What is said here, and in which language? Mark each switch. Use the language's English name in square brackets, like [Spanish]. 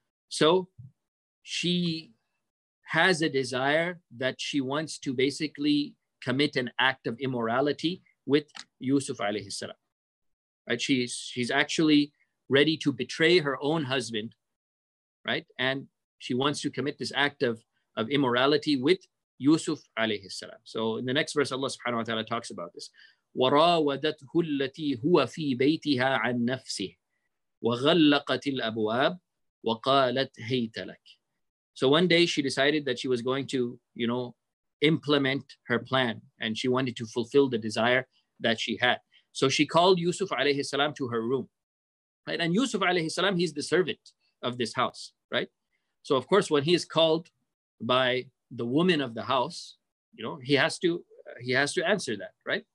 [English] So she has a desire that she wants to basically commit an act of immorality with Yusuf alayhi salam. Right? She's actually ready to betray her own husband, right? And she wants to commit this act of immorality with Yusuf alayhi salam. So in the next verse, Allah subhanahu wa ta'ala talks about this. [Arabic] وراودته التي هو في بيتها عن نفسه وغلقت الأبواب وقالت هيت لك. [English] So one day she decided that she was going to, you know, implement her plan, and she wanted to fulfill the desire that she had. So she called Yusuf alayhi salam to her room, right? And Yusuf alayhi salam, he's the servant of this house, right? So of course, when he is called by the woman of the house, you know, he has to answer that, right?